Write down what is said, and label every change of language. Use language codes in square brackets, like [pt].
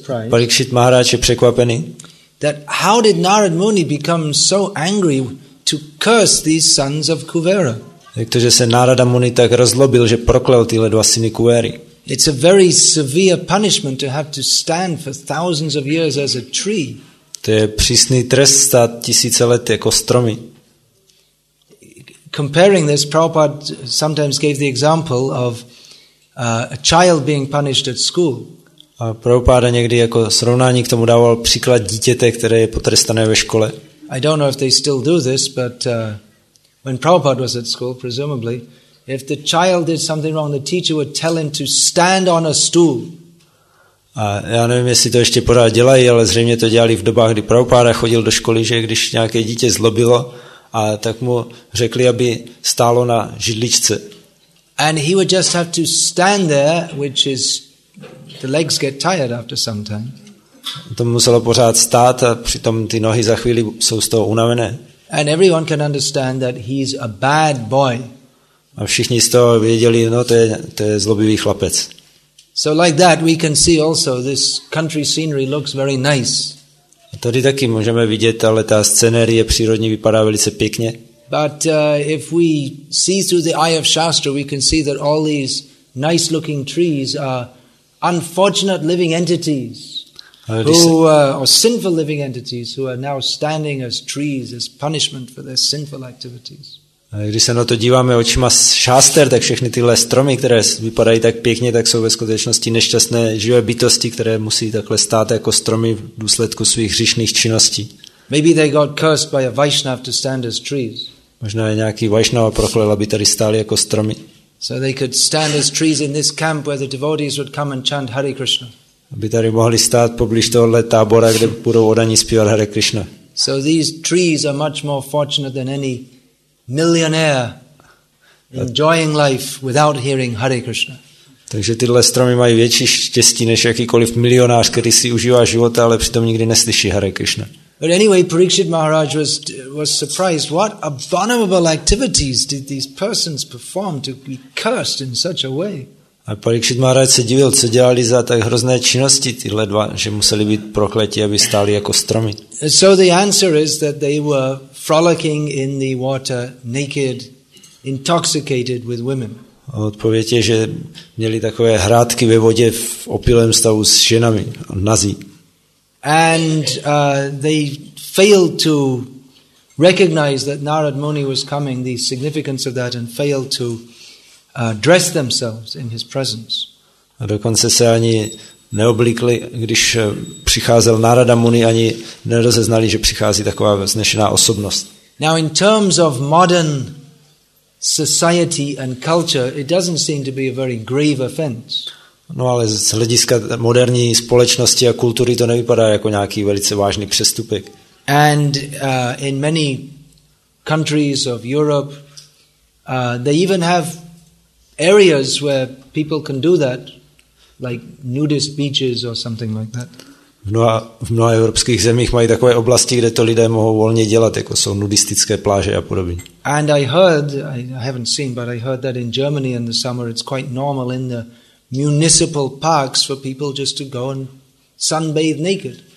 [cs] Parikshit Maharaj je překvapený. [en] That how did Narad Muni become so angry to curse these sons of Kuvera? [cs] Jak to, že se Narada Muni tak rozlobil, že proklel tyhle dva syny Kuvery? [en] It's a very severe punishment to have to stand for thousands of years as a tree. [cs] To je přísný trest stát tisíce let jako stromy. [en] Comparing this, Prabhupada sometimes gave the example of a child being punished at school. [cs] A Prabhupada někdy jako srovnání k tomu dával příklad dítěte, které je potrestané ve škole. [en] I don't know if they still do this, but when Prabhupada was at school, presumably, if the child did something wrong, the teacher would tell him to stand on a stool. [cs] A já nevím, jestli to ještě pořád dělají, ale zřejmě to dělali v dobách, kdy Prabhupada chodil do školy, že když nějaké dítě zlobilo, a tak mu řekli, aby stálo na židličce. [en] And he would just have to stand there, which is the legs get tired after some time. [cs] To muselo pořád stát a přitom ty nohy za chvíli jsou z toho unavené. [en] And everyone can understand that he's a bad boy. [cs] A všichni z toho věděli, no to je zlobivý chlapec. [en] So like that we can see also this country scenery looks very nice. [cs] A tady taky můžeme vidět, ale ta scenérie přírodní vypadá velice pěkně. [en] But if we see through the eye of Shastra, we can see that all these nice looking trees are unfortunate living entities who are sinful living entities who are now standing as trees as punishment for their sinful activities. [cs] Když se na to díváme očima šáster, tak všechny tyhle stromy, které vypadají tak pěkně, tak jsou ve skutečnosti nešťastné živé bytosti, které musí takhle stát jako stromy v důsledku svých hříšných činností. [en] Maybe they got cursed by a Vaishnava to stand as trees. [cs] Možná je nějaký Vaishnava proklel, aby tady stály jako stromy. [en] So they could stand as trees in this camp where the devotees would come and chant Hare Krishna. [cs] Aby tady mohli stát poblíž tohohle tábora, kde budou odaní zpívat Hare Krishna. [en] So these trees are much more fortunate than any millionaire enjoying life without hearing Hare Krishna. [cs] Takže tyhle stromy mají větší štěstí než jakýkoliv milionář, který si užívá života, ale přitom nikdy neslyší Hare Krishna. [en] But anyway, Parikshit Maharaj was surprised. What abominable activities did these persons perform to be cursed in such a way? [cs] A Parikshit Maharaj se divil, co dělali za tak hrozné činnosti tyhle dva, že museli být prokletí, aby stáli jako stromy. [en] So the answer is that they were frolicking in the water, naked, intoxicated with women. [cs] A odpověď je, že měli takové hrátky ve vodě v opilém stavu s ženami, nazí. [en] And they failed to recognize that Narad Muni was coming, the significance of that, and failed to dress themselves in his presence. [cs] A dokonce se ani neoblíkli, když přicházel Narada Muni, ani nerozeznali, že přichází taková vznešená osobnost. [en] Now in terms of modern society and culture, it doesn't seem to be a very grave offense. [cs] No ale z hlediska moderní společnosti a kultury to nevypadá jako nějaký velice vážný přestupek. [en] And in many countries of Europe they even have areas where people can do that, like nudist beaches or something like that. [cs] V mnoha evropských zemích mají takové oblasti, kde to lidé mohou volně dělat, jako jsou nudistické pláže a podobně. [en] And I heard, I haven't seen, but I heard that in Germany in the summer it's quite normal in the municipal parks for people just to go and sunbathe naked.